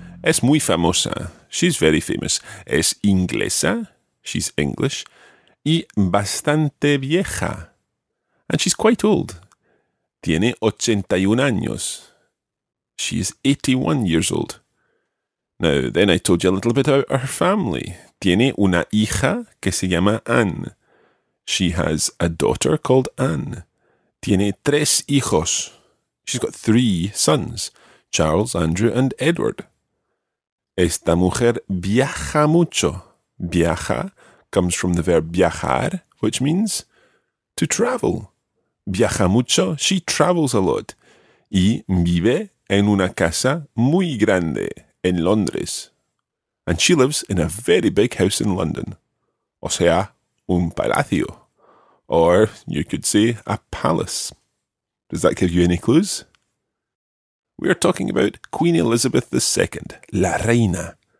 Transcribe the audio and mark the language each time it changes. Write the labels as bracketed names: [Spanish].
[Spanish] Es muy famosa. [English] She's very famous. [Spanish] Es inglesa. [English] She's English. [Spanish] Y bastante vieja. [English] And she's quite old. [Spanish] Tiene 81 años. [English] She is 81 years old. Now, then I told you a little bit about her family. [Spanish] Tiene una hija que se llama Anne. [English] She has a daughter called Anne. [Spanish] Tiene 3 hijos. [English] She's got 3 sons, Charles, Andrew and Edward. [Spanish] Esta mujer viaja mucho. [English] Viaja comes from the verb viajar, which means to travel. [Spanish] Viaja mucho. [English] She travels a lot. [Spanish] Y vive en una casa muy grande en Londres. [English] And she lives in a very big house in London. [Spanish] O sea, un palacio. [English] Or you could say a palace. Does that give you any clues? We are talking about Queen Elizabeth II, la reina.